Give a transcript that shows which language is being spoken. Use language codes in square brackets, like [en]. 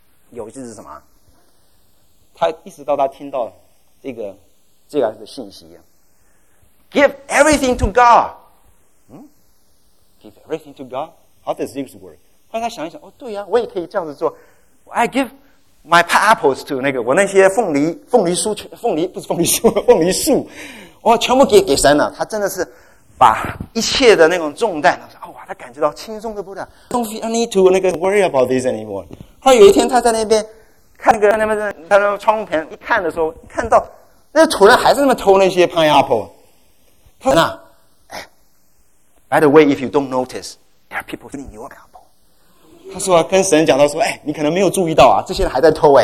[zh] 有意思是什么？他一直到他听到这个的信息 [en] ，Give everything to God。Give everything to God。 How does this work？ [zh] 后来他想一想，哦，对呀、啊，我也可以这样子做。 [en] I give my apples to [zh] 那个我那些凤梨树，我全部给神了。他真的是把一切的那种重担。他感觉到轻松的不得了。 [en] Don't feel, I need to [zh] 那个 [en] worry about this anymore。 [zh] 后来有一天，他在那边看那个他们在那窗户边一看的时候，看到那个土人还是那么偷那些 pineapple。他说：“那，哎 [en] ，by the way, if you don't notice, there are people stealing your apple。” [zh] 他说跟神讲到说，哎，你可能没有注意到啊，这些人还在偷哎。